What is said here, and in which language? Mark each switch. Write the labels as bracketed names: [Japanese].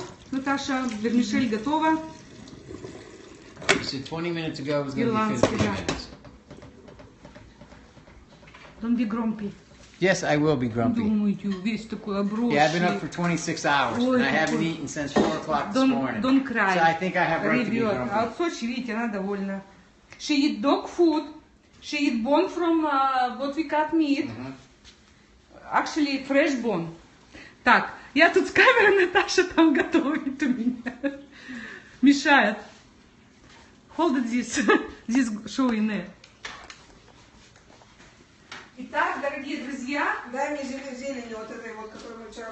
[Russian] Наташа, вермишель готова. [English] Said 20 minutes ago it was going to be 15 minutes. Don't be grumpy. Yes, I will be grumpy. [Russian] Думаю, весь такой оброшенный. [English] Yeah, I've been up for 26 hours. Ой, and I haven't eaten since 4 o'clock this morning. Don't cry. So I think I have right to be grumpy. [Russian] А от Сочи, видите, она довольна. [English] She eat dog food. She eat bone from what we cut meat. Mm-hmm. Actually, fresh bone. Так. [Russian] Я тут с камерой, Наташа там готовит у меня. [English] Мешает. Hold it this show in there. [Russian] Итак, дорогие друзья. Дай мне зелень вот этой вот, которую мы вчера